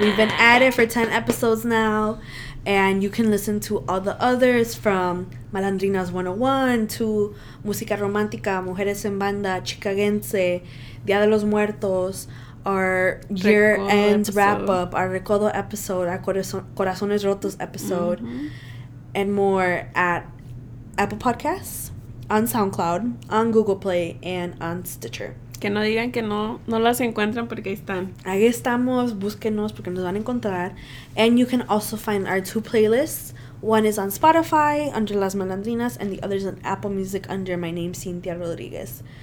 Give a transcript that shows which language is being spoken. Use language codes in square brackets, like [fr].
[en] We've been at it for 10 episodes now. And you can listen to all the others, from Malandrinas 101 to Música Romántica, Mujeres en Banda, Chicagense, Día de los Muertos, our year-end wrap-up, our Recodo episode, our Corazones Rotos episode, mm-hmm. and more at Apple Podcasts, on SoundCloud, on Google Play, and on Stitcher. [es] Que no digan que no las encuentran, porque ahí están. Ahí estamos, búsquenos, porque nos van a encontrar. [en] And you can also find our two playlists. One is on Spotify, under Las Malandrinas, and the other is on Apple Music, under my name, Cynthia Rodriguez.